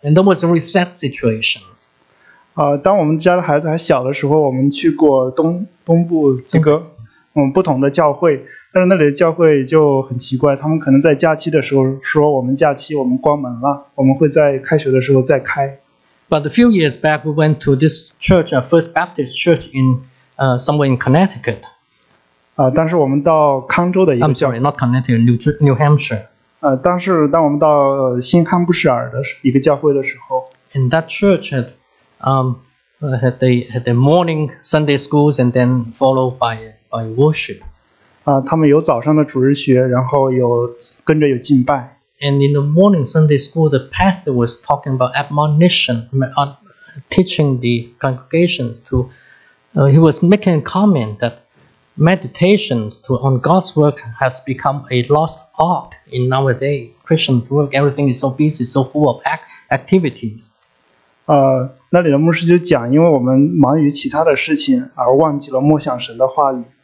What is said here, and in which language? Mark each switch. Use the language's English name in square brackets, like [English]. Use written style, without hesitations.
[English] And that was a really sad situation. [Chinese] 当我们家的孩子还小的时候，我们去过东部这个不同的教会，但是那里的教会就很奇怪，他们可能在假期的时候说我们假期我们关门了，我们会在开学的时候再开。 [English] But a few years back, we went to this church, a First Baptist Church in, somewhere in Connecticut. [Chinese] 但是我们到康州的一个教会 [English] I'm sorry, not Connecticut, New Hampshire. [Chinese] 但是当我们到新罕布什尔的一个教会的时候 [English] In that church had the morning Sunday schools and then followed by worship. [Chinese] 他们有早上的主日学，然后有跟着有敬拜。 [English] And in the morning Sunday school, the pastor was talking about admonition, teaching the congregations to, he was making a comment that meditations on God's work has become a lost art in nowadays. Christian work, everything is so busy, so full of activities. [Chinese] 那里的牧师就讲，因为我们忙于其他的事情，而忘记了默想神的话语。